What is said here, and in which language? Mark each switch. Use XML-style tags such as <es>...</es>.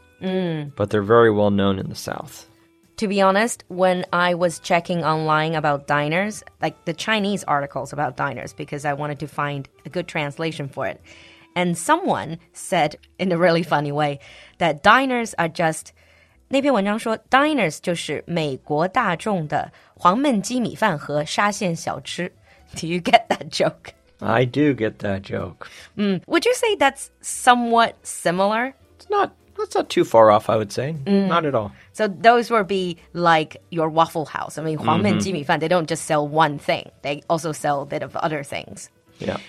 <en>But they're very well known in the South. To be honest, when I was checking online about diners, like the Chinese articles about diners, because I wanted to find a good translation for it. And someone said in a really funny way that diners are just...</en> <zh>那篇文章说 diners 就是美国大众的黄焖鸡米饭和沙县小吃。</zh> <en>Do you get that joke? I do get that joke. Would you say that's somewhat similar? That's not too far off, I would say. Not at all. So those would be like your Waffle House. I mean, 黄焖鸡米饭, they don't just sell one thing. They also sell a bit of other things. Yeah.</en>